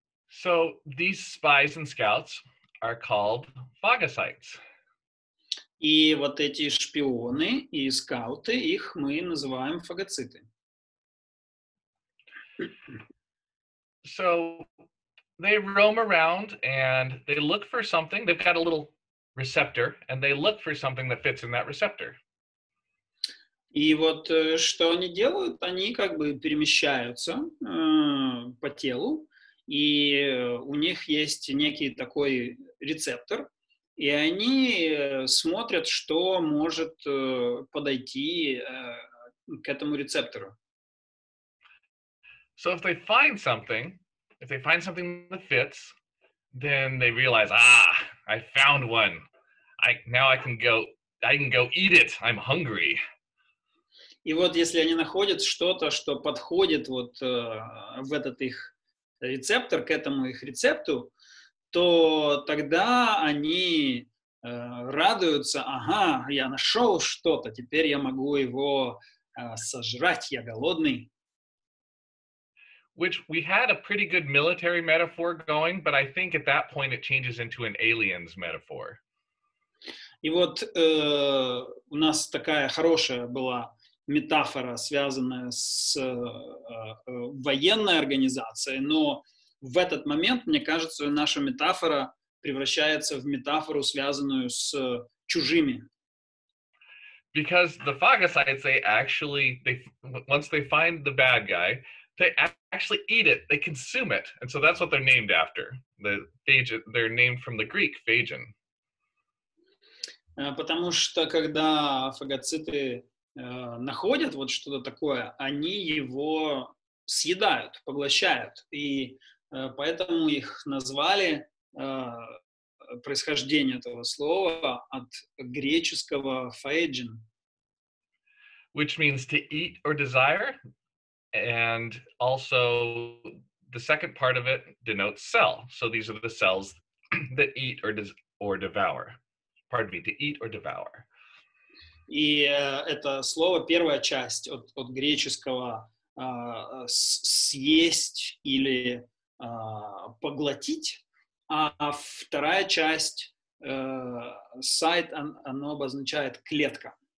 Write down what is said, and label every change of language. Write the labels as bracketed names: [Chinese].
[English] So these spies and scouts are called phagocytes. [Russian] И вот эти шпионы и скауты, их мы называем фагоциты. [English] So they roam around and they look for something. They've got a little receptor, and they look for something that fits in that receptor. [Russian] И вот что они делают? Они как бы перемещаются по телу, и у них есть некий такой рецептор, и они смотрят, что может подойти к этому рецептору. [English] So if they find something, that fits, then they realize, ah, I found one. Now I can go eat it. I'm hungry. [Russian] И вот если они находят что-то, что подходит вот в этот их рецептор, к этому их рецепту, то тогда они радуются, ага, я нашел что-то, теперь я могу его сожрать, я голодный. [English] Which we had a pretty good military metaphor going, but I think at that point it changes into an aliens metaphor. [Russian] И вот у нас такая хорошая была метафора, связанная с военной организацией, но в этот момент, мне кажется, наша метафора превращается в метафору, связанную с чужими. [English] Because the phagocytes, they actually, once they find the bad guy, they actually eat it, they consume it. And so that's what they're named after. The phagin, they're named from the Greek, phagin. [Russian] Потому что когда фагоциты находят вот что-то такое, они его съедают, поглощают. И поэтому их назвали происхождение этого слова от греческого phagein. [English] Which means to eat or desire. And also the second part of it denotes cell. So these are the cells that eat or devour. Pardon me, to eat or devour. [Russian] И это слово, первая часть от греческого съесть или поглотить, а вторая часть сайт, оно обозначает клетка.